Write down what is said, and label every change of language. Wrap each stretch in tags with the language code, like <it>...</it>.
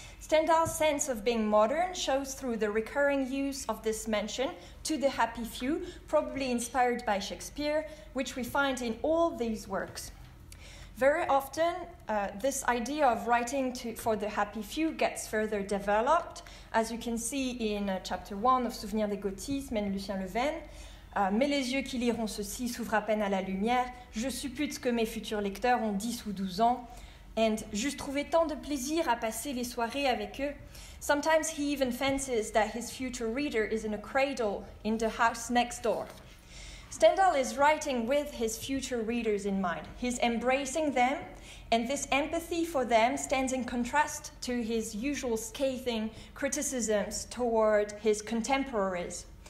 <en>Stendhal's sense of being modern shows through the recurring use of this mention, "to the happy few," probably inspired by Shakespeare, which we find in all these works. Very often, this idea of writing for the happy few gets further developed, as you can see in chapter 1 of Souvenirs d'égotisme and Lucien Levin.</en> <fr>"Mais les yeux qui liront ceci s'ouvrent à peine à la lumière. Je suppute que mes futurs lecteurs ont 10 ou 12 ans.</fr> <en>And</en> <fr>j'ai trouvé tant de plaisir à passer les soirées avec eux."</fr> <en>Sometimes he even fancies that his future reader is in a cradle in the house next door. Stendhal is writing with his future readers in mind. He's embracing them, and this empathy for them stands in contrast to his usual scathing criticisms toward his contemporaries.</en>